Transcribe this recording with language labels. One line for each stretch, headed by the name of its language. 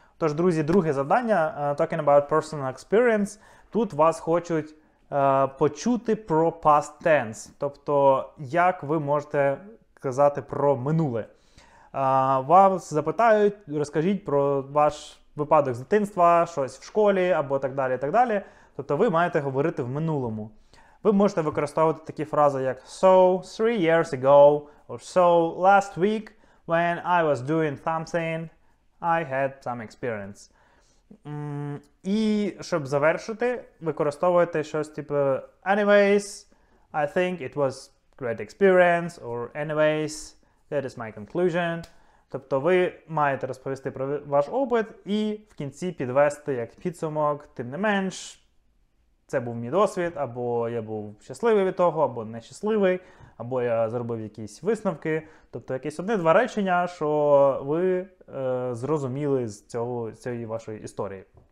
Ukrainian: Тож, друзі, друге завдання,
English: Talking about personal experience,
Ukrainian: тут вас хочуть почути про past tense, тобто як ви можете казати про минуле. Вас запитають, розкажіть про ваш випадок з дитинства, щось в школі, або так далі, так далі. Тобто ви маєте говорити в минулому. Ви можете використовувати такі фрази, як
English: So, 3 years ago, or so, last week, when I was doing something, I had some experience.
Ukrainian: І щоб завершити, використовуєте щось типу
English: Anyways, I think it was great experience, or anyways, that is my conclusion.
Ukrainian: Тобто ви маєте розповісти про ваш опит і в кінці підвести як підсумок, тим не менш, це був мій досвід, або я був щасливий від того, або нещасливий, або я зробив якісь висновки. Тобто якесь одне-два речення, що ви зрозуміли з цієї вашої історії.